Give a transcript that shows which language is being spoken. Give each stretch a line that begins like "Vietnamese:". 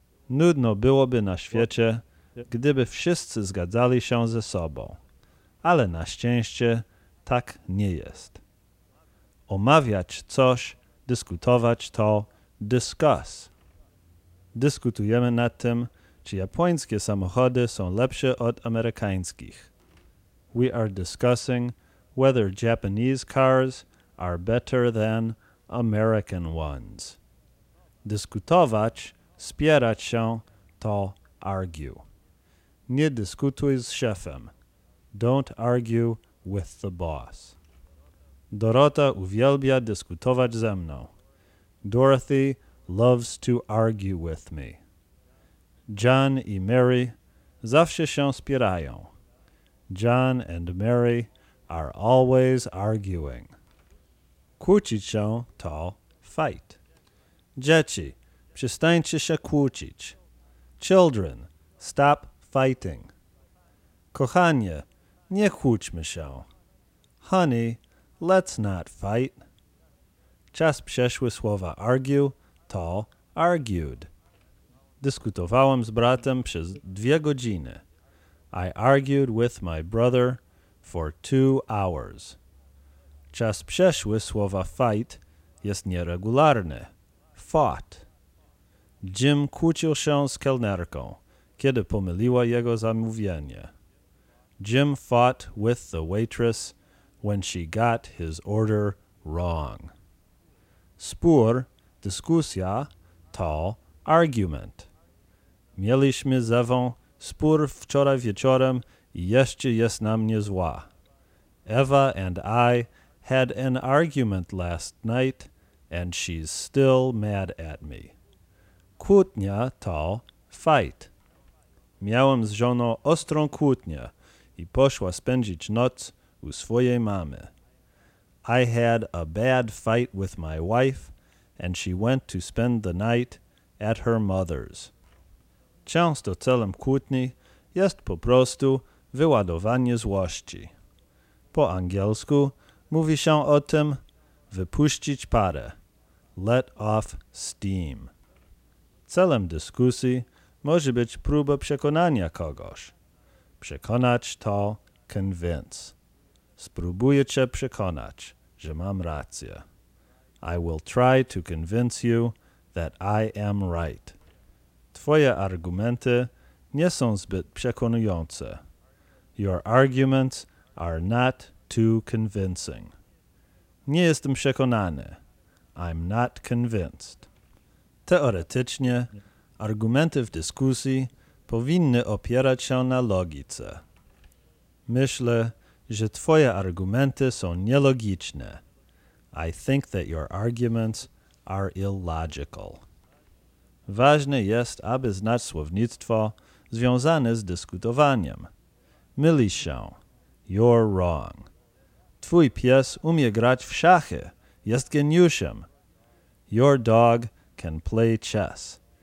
Polish: Nudno byłoby na świecie, gdyby wszyscy zgadzali się ze sobą. Ale na szczęście tak nie jest. Omawiać coś, dyskutować to discuss. Dyskutujemy nad tym, czy japońskie samochody są lepsze od amerykańskich.
English: We are discussing whether Japanese cars are better than American ones.
Polish: Dyskutować, spierać się, to argue. Nie dyskutuj z szefem.
English: Don't argue with the boss.
Polish: Dorota uwielbia dyskutować ze mną.
English: Dorothy loves to argue with me.
Polish: John i Mary zawsze się spierają.
English: John and Mary are always arguing.
Polish: Kłócić się to fight. Dzieci, przestańcie się kłócić.
English: Children, stop fighting.
Polish: Kochanie, nie kłóćmy się.
English: Honey, let's not fight.
Polish: Czas przeszły słowa argue to argued. Dyskutowałem z bratem przez 2 godziny.
English: I argued with my brother for 2 hours.
Polish: Czas przeszły słowa fight jest nieregularny. Fought. Jim kłócił się z kelnerką, kiedy pomyliła jego zamówienie.
English: Jim fought with the waitress when she got his order wrong.
Polish: Spór, dyskusja, to argument. Mieliśmy ze Ewą spór wczoraj wieczorem i jeszcze jest na mnie zła.
English: Eva and I had an argument last night and she's still mad at me.
Polish: Kłótnia to fight. Miałem z żoną ostrą kłótnię i poszła spędzić noc u swojej mamy.
English: I had a bad fight with my wife and she went to spend the night at her mother's.
Polish: Często celem kłótni jest po prostu wyładowanie złości. Po angielsku mówi się o tym wypuścić parę,
English: let off steam.
Polish: Celem dyskusji może być próba przekonania kogoś. Przekonać to convince. Spróbuję cię przekonać, że mam rację.
English: I will try to convince you that I am right.
Polish: Twoje argumenty nie są zbyt przekonujące.
English: Your arguments are not too convincing.
Polish: Nie jestem przekonany.
English: I'm not convinced.
Polish: Teoretycznie, argumenty w dyskusji powinny opierać się na logice. Myślę, że twoje argumenty są nielogiczne.
English: I think that your arguments are illogical.
Polish: Ważne jest, aby znać słownictwo związane z dyskutowaniem. Mylisz się.
English: You're wrong.
Polish: Twój pies umie grać w szachy. Jest geniuszem.
English: Your dog can play chess.